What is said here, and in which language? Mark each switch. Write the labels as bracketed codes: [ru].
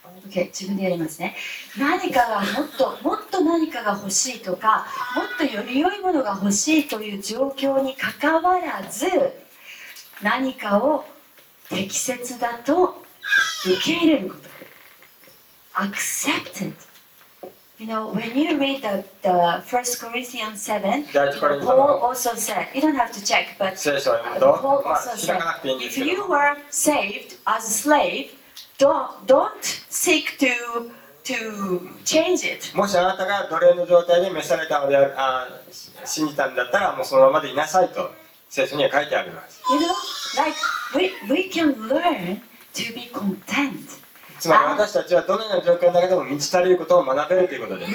[ja] Okay, 自分でやりますね。何かがもっと何かが欲しいとか、もっとより良いものが欲しいという状況にかかわらず、何かを適切だと受け入れること。 [en] Accepted. You know, when you read the 1 Corinthians 7, Paul also said, you don't have to check, but Paul also said, if you were saved as a slave,Don't seek to change it. [ja] もしあなたが奴隷の状態で召されたのであ信じたんだったら、もうそのままでいなさいと聖書には書いてあります。 [en] You know, like we can learn to be content. [ja] つまり私たちはどのような状況の中でも満ち足りることを学べるということです。